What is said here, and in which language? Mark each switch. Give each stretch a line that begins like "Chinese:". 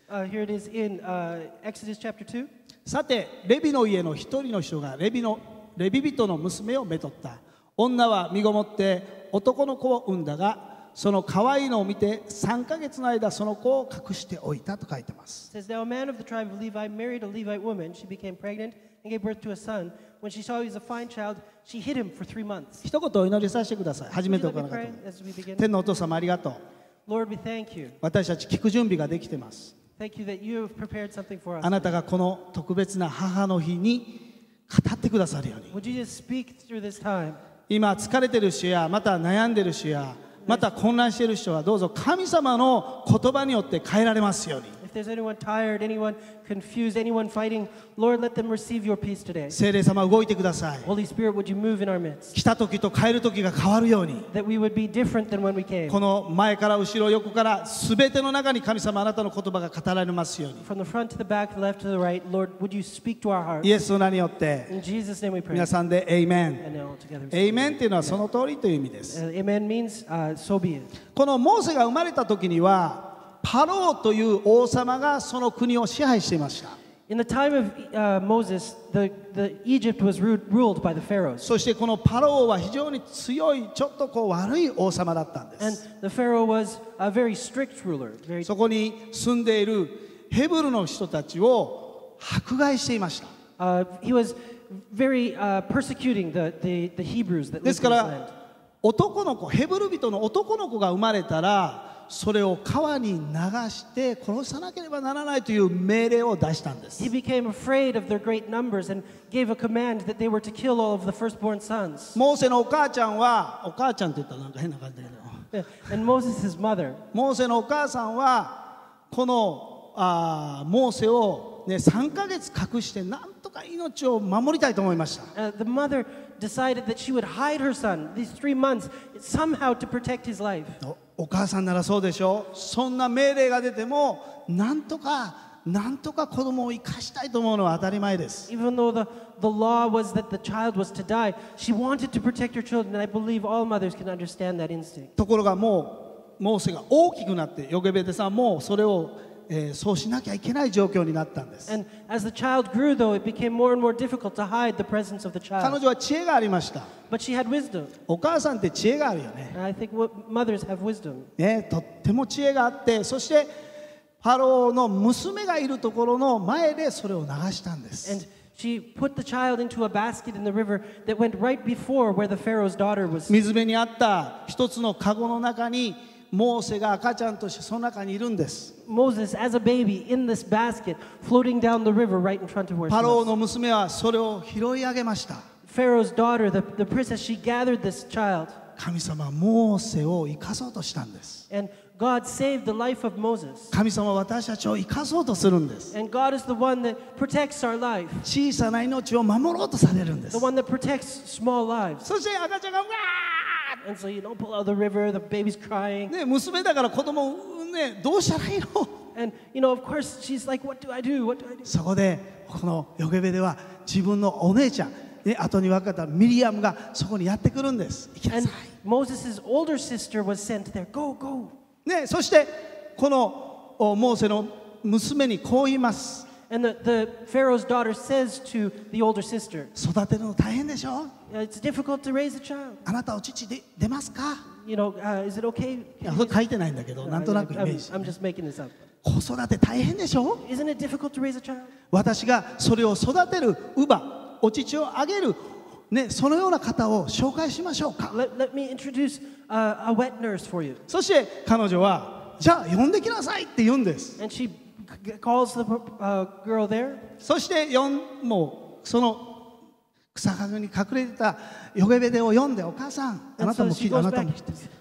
English: Here it is in, Exodus chapter 2.
Japanese: さて、レビの家の一人の人がレビ人の娘をめとった。女は身ごもって男の子を産んだが、その可愛いのを見て3ヶ月の間その子を隠しておいたと書いてます。
English: It says, now a man of the tribe of Levi married a Levite woman. She became pregnant and gave birth to a son. When she saw he was a fine child, she hid him for 3 months.
Japanese: 一言お祈りさせてください。初めて行うこと。天のお父様ありがとう。
English: Lord, we thank you.
Japanese: 私たち聞く準備ができてます。
English: Thank you that you have prepared something for us.
Japanese: あなたがこの特別な母の日に語ってくださるように。
English: Would you just speak through this time?
Japanese: 今疲れてる人や、また悩んでる人や、また混乱している人はどうぞ神様の言葉によって変えられますように。
English: If there's anyone tired, anyone confused, anyone fighting, Lord, let them receive your peace today.
Japanese: 聖霊様動いてください。
English: Holy Spirit, would you move in our midst?
Japanese: 来た時と帰る時が変わるように。
English: That we would be different than when we came.
Japanese: この前から後ろ横から全ての中に神様あなたの言葉が語られますように。
English: From the front to the back, left to the right, Lord, would you speak to our hearts?
Japanese: イエスの名によって。
English: In Jesus' name we pray.
Japanese: 皆さんで Amen.
English: And all together.
Japanese: Amen っていうのはその通りという意味です。
English: Amen means, so be it.
Japanese: このモーセが生まれた時には、パローという王様がその国を支配していました。
English: In the time of, Moses, the Egypt was ruled by the pharaohs.
Japanese: そしてこのパローは非常に強い、ちょっとこう悪い王様だったんです。
English: And the pharaoh was a very strict ruler.
Japanese: そこに住んでいるヘブルの人たちを迫害していました。
English: He was very, persecuting the Hebrews that lived in the land.
Japanese: ですから、男の子、ヘブル人の男の子が生まれたら、それを川に流して殺さなければならないという命令を出したんです。
English: He became afraid of their great numbers and gave a command that they were to kill all of the firstborn sons.
Japanese: モーセのお母ちゃんは、お母ちゃんって言ったらなんか変な感じだけど。
English: And Moses's mother.
Japanese: モーセのお母さんはこのモーセを、ね、3ヶ月隠してなんとか命を守りたいと思いました。
English: The mother decided that she would hide her son these 3 months somehow to protect his life.
Japanese: お母さんならそうでしょう。そんな命令が出ても、なんとか子供を生かしたいと思うのは当たり前です。
English: Even though the law was that the child was to die, she wanted to protect her children, and I believe all mothers can understand that instinct.
Japanese: ところがもう、モーセが大きくなって、ヨケベデさんもそれを、そうしなきゃいけない状況になったんです。
English: And as the child grew, though, it became more and more difficult to hide the presence of the child.
Japanese: 彼女は知恵がありました。
English: But she had wisdom.
Japanese: お母さんって知恵があるよね。
English: I think mothers have wisdom.
Japanese: ね、とっても知恵があって、そしてハローの娘がいるところの前でそれを流したんです。
English: And she put the child into a basket in the river that went right before where the Pharaoh's daughter was.
Japanese: 水辺にあった一つのカゴの中にモーセが赤ちゃんとしてその中にいるんです。
English: Moses as a baby in this basket floating down the river right in front of where.
Japanese: ハローの娘はそれを拾い上げました。
English: Pharaoh's daughter, the princess, she gathered this child.
Japanese: 神様はモーセを生かそうとしたんです。
English: And God saved the life of Moses.
Japanese: 神様は私たちを生かそうとするんです。
English: And God is the one that protects our life.
Japanese: 小さな命を守ろうとされるんです。
English: The one that protects small lives.
Japanese: そして赤ちゃんがうわ
English: ー And so you don't pull out the river, the baby's crying.
Japanese: ね、娘だから子供ね、どうしたらいいの?
English: And you know, of course, she's like, what do I do? What do I do?
Japanese: そこでこのヨゲベでは自分のお姉ちゃんね、後に分かったミリアムがそこにやってくるんです。行きなさい。
English: And Moses' older sister was sent there. Go, go.
Japanese: ね、そしてこのモーセの娘にこう言います。
English: And the Pharaoh's daughter says to the older sister.
Japanese: 育てるの大変でしょ。
English: It's difficult to raise a child.
Japanese: あなたお乳で出ますか。
English: You know, is it okay?
Japanese: それ書いてないんだけど、なんとなくイメージ、ね。
English: I'm just making this up.
Japanese: 子育て大変でしょ?
English: Isn't it difficult to raise a child?
Japanese: 私がそれを育てる乳母、お乳をあげる、ね、そのような方を紹介しましょうか。
English: Let me introduce a wet nurse for you.
Japanese: そして彼女は、じゃあ呼んできなさいって言うんです。
English: And she calls the girl there.
Japanese: そして呼ん、もうその草陰に隠れてたヨゲベデを呼んで、お母さん、あなたも聞いて、あなたも聞いて。